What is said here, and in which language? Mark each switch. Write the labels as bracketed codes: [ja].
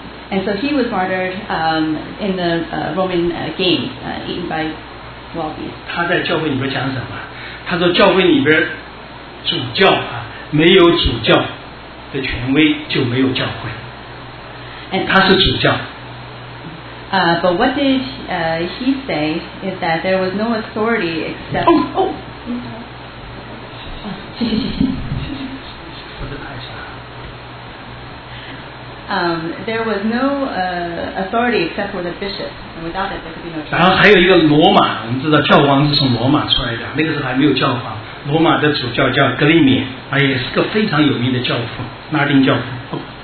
[en] And so he was martyred in the Roman games, eaten by wild beasts. [zh] 他在教会里边讲什么？他说教会里边主教啊，没有主教。的权威就没有教会，他是主教。 [en] But what did he say is that there was no authority except. [zh] 哦哦。谢谢谢谢。 [en] There was no authority except for the bishop, and without it, there could be no. [zh] 然后还有一个罗马，我们知道教皇是从罗马出来的，那个时候还没有教皇。罗马的主教叫格里勉，也是个非常有名的教父，拉丁教父。